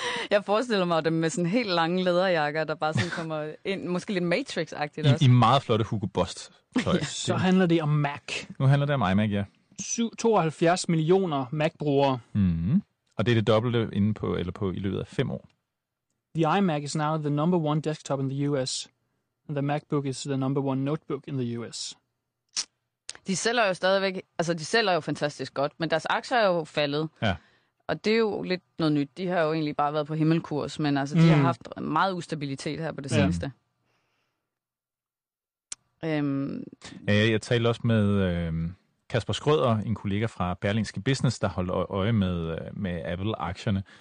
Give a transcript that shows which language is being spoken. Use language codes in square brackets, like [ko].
[da] Jeg forestiller mig dem med sådan helt lange læderjakker, der bare sådan kommer ind, måske lidt Matrix-agtigt også. I meget flotte Hugo Boss-tøj. Så handler det om Mac. Nu handler det om iMac, 72 millioner Mac-brugere. Og det er det dobbelte på i løbet af 5 år. [en] The iMac is now the number one desktop in the US. The MacBook is the number one notebook in the US. [da] De sælger jo stadigvæk, altså de sælger jo fantastisk godt, men deres aktier er jo faldet. Og det er jo lidt noget nyt. De har jo egentlig bare været på himmelkurs, men altså de har haft meget ustabilitet her på det seneste. Jeg talte også med Kasper Skrøder, en kollega fra Berlingske Business, der holdt øje med Apple-aktierne.